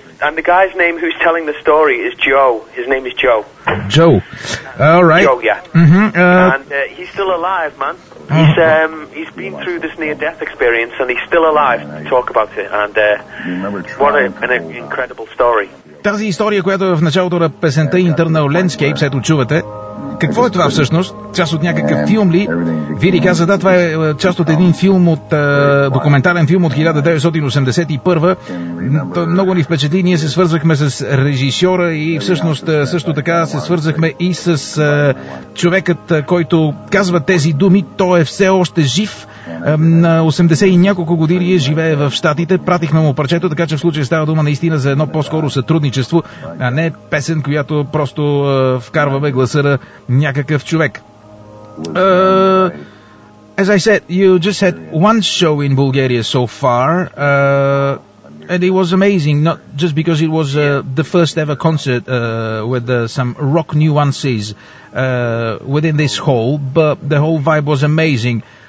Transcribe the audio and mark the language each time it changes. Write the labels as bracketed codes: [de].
[en] and the guy's name who's telling the story is Joe. His name is Joe. Joe. All right. Joe, yeah. Mm-hmm. And he's still alive, man. He's been through this near-death experience, and he's still alive to talk about it. And what an incredible story. [bg] Тази история, която е в началото на песента Internal Landscapes, ето чувате. Какво е това всъщност? Част от някакъв филм ли? Вири каза, да, това е част от един филм, от документален филм от 1981. То много ни впечатли. Ние се свързахме с режисьора и всъщност също така се свързахме и с човекът, който казва тези думи. Той е все още жив. На 80 и няколко години живее в Штатите. Пратихме му парчето, така че в случая става дума наистина за едно по-скоро сътрудничество, а не песен, която просто вкарваме гласа на някакъв човек. [en] As I said, you just had one show in Bulgaria so far, and it was amazing, not just because it was the first ever concert with some rock nuances within this hall, but the whole vibe was amazing.